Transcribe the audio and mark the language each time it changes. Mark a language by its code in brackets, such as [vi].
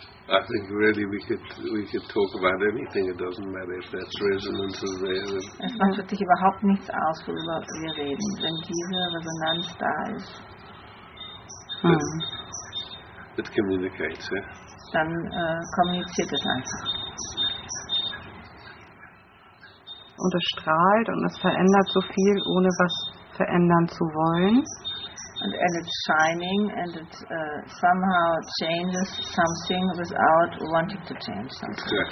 [en] I think really we could talk about anything. It doesn't matter if that resonance is there. [de] Es macht wirklich überhaupt nichts aus, worüber wir reden, wenn diese Resonanz da ist. [en] It communicates, yeah? [de] Dann kommuniziert es einfach. Und es strahlt und es verändert so viel, ohne was verändern zu wollen. [en] And it's shining and it somehow changes something without wanting to change something.